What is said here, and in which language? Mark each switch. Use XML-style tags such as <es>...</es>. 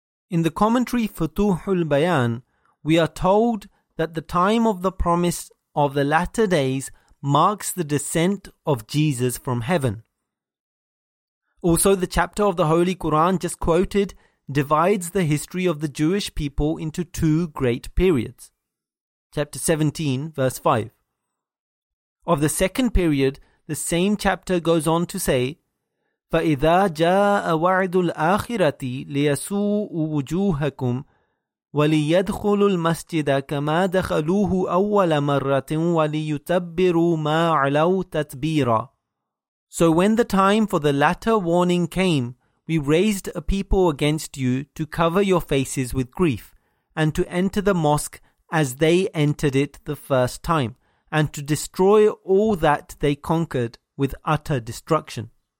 <en>In the commentary Futuhul Bayan, we are told that the time of the promise of the latter days marks the descent of Jesus from heaven. Also, the chapter of the Holy Quran just quoted divides the history of the Jewish people into two great periods. Chapter 17, verse 5. Of the second period, the same chapter goes on to say,</en> <ar>فَإِذَا جَاءَ وَعْدُ الْآخِرَةِ لِيَسُوءُ وُجُوهَكُمْ وَلِيَدْخُلُ الْمَسْجِدَ كَمَا دَخَلُوهُ أَوَّلَ مَرَّةٍ وَلِيُتَبِّرُوا مَا عَلَوْا تَتْبِيرًا.</ar> <en>So when the time for the latter warning came, we raised a people against you to cover your faces with grief and to enter the mosque as they entered it the first time, and to destroy all that they conquered with utter destruction.</en>